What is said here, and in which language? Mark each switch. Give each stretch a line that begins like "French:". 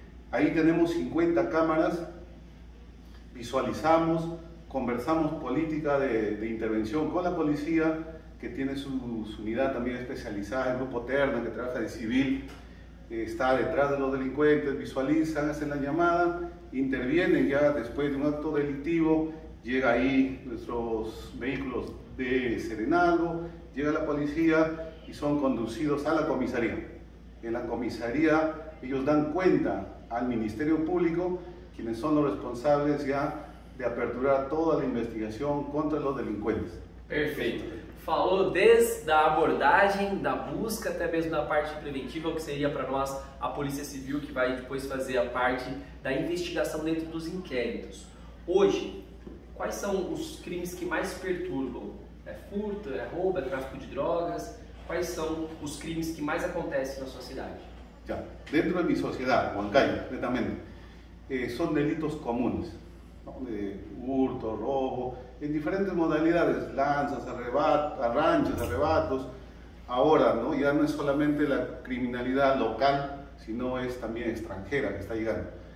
Spanish: Ahí tenemos 50 cámaras, visualizamos, conversamos política de intervención con la policía, que tiene su unidad también especializada, el grupo Terna, que trabaja de civil, está detrás de los delincuentes, visualizan, hacen la llamada, intervienen ya después de un acto delictivo, llega ahí nuestros vehículos de Serenazgo, llega la policía y son conducidos a la comisaría. En la comisaría ellos dan cuenta al Ministerio Público, quienes son los responsables ya de aperturar toda la investigación contra los delincuentes. Perfecto.
Portuguese: Falou desde a abordagem, da busca, até mesmo da parte preventiva, que seria para nós a Polícia Civil, que vai depois fazer a parte da investigação dentro dos inquéritos. Hoje, quais são os crimes que mais perturbam? É furto, é roubo, é tráfico de drogas? Quais são os crimes que mais acontecem na sua cidade?
Spanish: Ya, dentro de mi sociedad, Huancayo, netamente, son delitos comunes, ¿no? De hurto, robo, en diferentes modalidades, lanzas, arranchas, arrebatos. Ahora, ¿no? Ya no es solamente la criminalidad local, sino es también extranjera que está llegando.